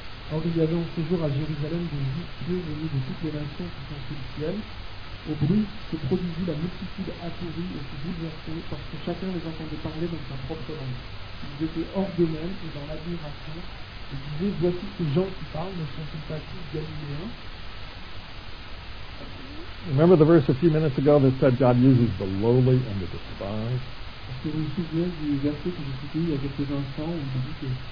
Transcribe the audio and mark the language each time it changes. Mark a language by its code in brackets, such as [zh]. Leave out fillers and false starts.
[fr] Or il y avait en ce jour à Jérusalem des Juifs venus de toutes les nations qui sont sur le ciel. Au bruit se produisit la multitude atterrie et se bouleversée parce que chacun les entendait parler dans sa propre langue. Ils étaient hors d'eux-mêmes et dans l'admiration. Ils disaient, voici ces gens qui parlent, ne sont-ils pas tous galiléens? [en] Remember the verse a few minutes ago that said God uses the lowly and the despised? [fr] Est-ce que vous vous souvenez du verset que j'ai cité il y a quelques instants où il dit que